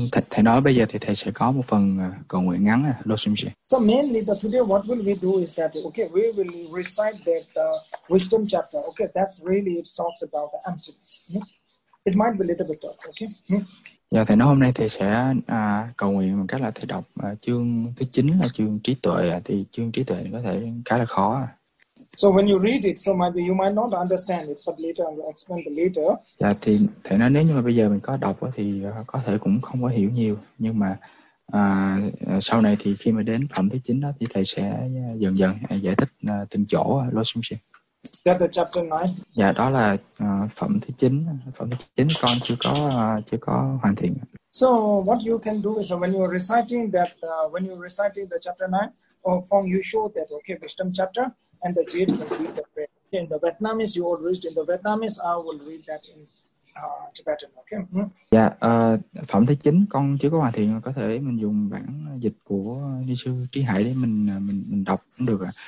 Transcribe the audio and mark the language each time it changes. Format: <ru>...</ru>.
<vi>Thầy nói bây giờ thì thầy sẽ có một phần cầu nguyện ngắn Losumji.</vi> <en>So mainly that today what will we do is that okay, we will recite that wisdom chapter. Okay, that's really it talks about the emptiness. It might be a little bit tough, okay?</en> <vi>Dạ, thầy nói hôm nay thầy sẽ cầu nguyện bằng cách là thầy đọc chương thứ 9 là chương trí tuệ, thì chương trí tuệ có thể khá là khó.</vi> <en>So when you read it, so maybe you might not understand it, but later I'll explain the later.</en> <vi>Dạ, thì thầy nói nếu như mà bây giờ mình có đọc thì có thể cũng không có hiểu nhiều, nhưng mà sau này thì khi mà đến phẩm thứ 9 đó thì thầy sẽ dần dần giải thích từng chỗ.</vi> <en>That's the chapter 9.</en> <vi>Dạ, đó là phẩm thứ 9. Phẩm thứ 9 con chưa có hoàn thiện.</vi> <en>So what you can do is when you're reciting that, when you're reciting the chapter 9, or from you show that, okay, wisdom chapter, and the jade can read the prayer. Okay, in the Vietnamese, you will read in the Vietnamese, I will read that in Tibetan, okay?</en> <vi>Dạ, phẩm thứ 9 con chưa có hoàn thiện, có thể mình dùng bản dịch của Ni Sư Trí Hải để mình đọc cũng được ạ.</vi>